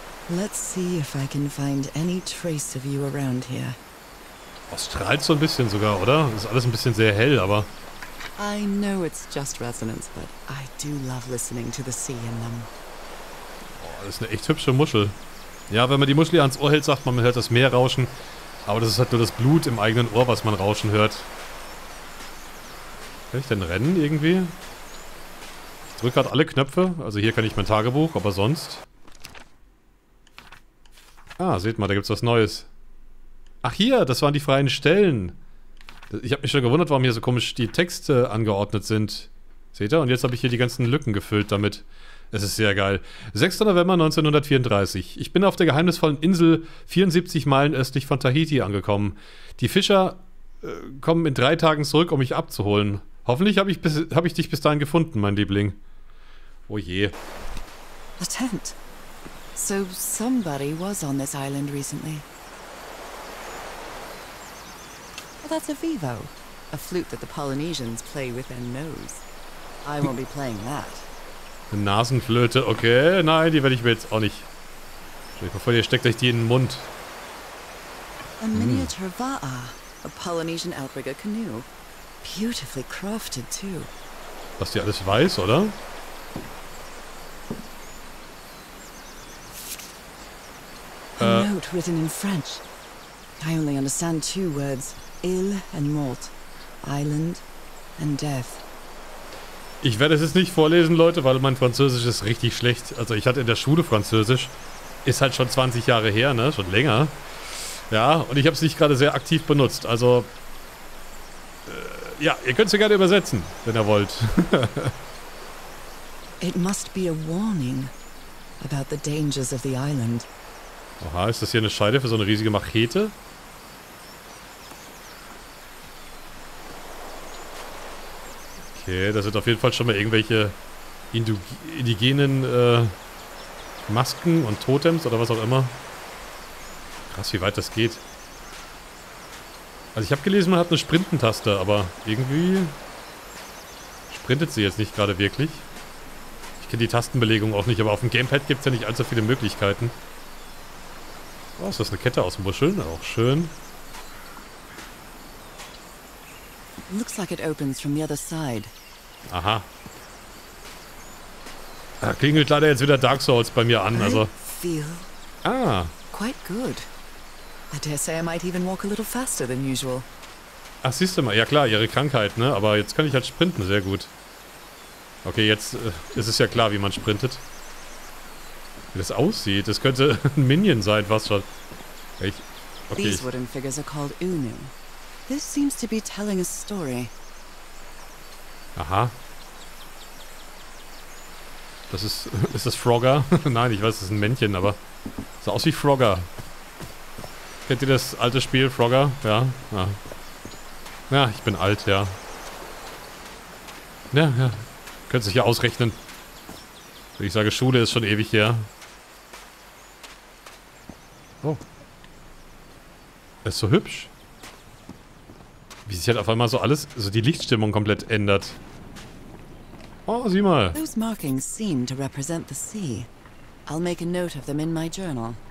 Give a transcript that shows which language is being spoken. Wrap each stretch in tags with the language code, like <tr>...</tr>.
<en>Let's see if I can find any trace of you around here.</en> <de>Oh, strahlt so ein bisschen sogar, oder? Ist alles ein bisschen sehr hell, aber...</de> <en>I know it's just resonance, but I do love listening to the sea in them.</en> <de>Oh, das ist eine echt hübsche Muschel. Ja, wenn man die Muschel hier ans Ohr hält, sagt man, man hört das Meer rauschen. Aber das ist halt nur das Blut im eigenen Ohr, was man rauschen hört. Kann ich denn rennen irgendwie? Ich drücke gerade alle Knöpfe. Also hier kann ich mein Tagebuch, aber sonst... Ah, seht mal, da gibt's was Neues. Ach hier, das waren die freien Stellen. Ich habe mich schon gewundert, warum hier so komisch die Texte angeordnet sind. Seht ihr? Und jetzt habe ich hier die ganzen Lücken gefüllt damit. Es ist sehr geil. 6. November 1934. Ich bin auf der geheimnisvollen Insel 74 Meilen östlich von Tahiti angekommen. Die Fischer kommen in 3 Tagen zurück, um mich abzuholen. Hoffentlich habe ich dich bis dahin gefunden, mein Liebling. Oh je.</de> <en>A tent. So somebody was on this island recently. That's a vivo, a flute that the Polynesians play with their nose. I won't be playing that.</en> <de>Eine Nasenflöte, okay. Nein, die werde ich mir jetzt auch nicht. Stell dir mal vor, ihr steckt euch die in den Mund.</de> <en>A miniature va'a, a Polynesian outrigger canoe. Beautifully crafted too.</en> <de>Was die alles weiß, oder?</de> <en>A note written in French. I only understand 2 words. Ill and mort. Island and death.</en> <de>Ich werde es jetzt nicht vorlesen, Leute, weil mein Französisch ist richtig schlecht. Also ich hatte in der Schule Französisch. Ist halt schon 20 Jahre her, ne? Schon länger. Ja, und ich habe es nicht gerade sehr aktiv benutzt. Also, ja, ihr könnt es ja gerne übersetzen, wenn ihr wollt.</de> <en>It must be a warning about the dangers of the island.</en> <de>Oha, ist das hier eine Scheide für so eine riesige Machete? Okay, da sind auf jeden Fall schon mal irgendwelche indigenen Masken und Totems oder was auch immer. Krass, wie weit das geht. Also ich habe gelesen, man hat eine Sprintentaste, aber irgendwie sprintet sie jetzt nicht gerade wirklich. Ich kenne die Tastenbelegung auch nicht, aber auf dem Gamepad gibt es ja nicht allzu viele Möglichkeiten. Oh, ist das eine Kette aus Muscheln? Auch schön.</de> <en>Looks like it opens from the other side. Aha.</en> <de>Da klingelt leider jetzt wieder Dark Souls bei mir an, also. Ah.</de> <en>Quite good. I dare say I might even walk a little faster than usual.</en> <de>Ach, siehst du mal. Ja klar, ihre Krankheit, ne? Aber jetzt kann ich halt sprinten, sehr gut. Okay, jetzt ist es ja klar, wie man sprintet. Wie das aussieht, das könnte ein Minion sein, was schon. Ich, okay.</de> <en>These wooden figures are called Unu. This seems to be telling a story. Aha.</en> <de>Das ist. Ist das Frogger? Nein, ich weiß, das ist ein Männchen, aber. Sah aus wie Frogger. Kennt ihr das alte Spiel Frogger? Ja? Ja. Ja, ich bin alt, ja. Ja, ja. Könnt sich ja ausrechnen. Wenn ich sage, Schule ist schon ewig her. Oh. Ist so hübsch. Wie sich halt auf einmal so alles, so die Lichtstimmung komplett ändert. Oh, sieh mal.</de> <en>Those markings seem to represent the sea. I'll make a note of them in my journal.</en>